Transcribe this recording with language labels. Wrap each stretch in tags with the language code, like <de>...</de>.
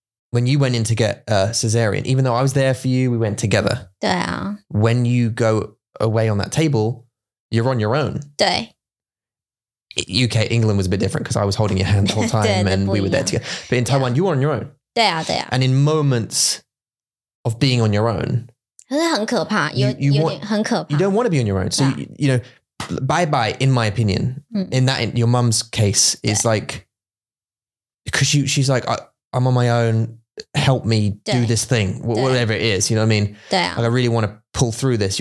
<en>When you went in to get a cesarean, even though I was there for you, we went together.</en> <zh>对啊.</zh> <en>When you go away on that table, you're on your own.</en> <zh>对.</zh> <en>UK, England was a bit different because I was holding your hand the whole time</en> <zh>对,</zh> <en>and we were there together. But in Taiwan, you were on your own.</en> <zh>对啊, 对啊.</zh> <en>And in moments of being on your own,</en> <zh>可是很可怕, 有点很可怕.</zh> <en>You don't want to be on your own. So, you know, bye-bye, in my opinion, in that, in your mum's case, is like, because she's like, I'm on my own, help me do this thing, whatever it is, you know what I mean? Like, I really want to pull through this.</en>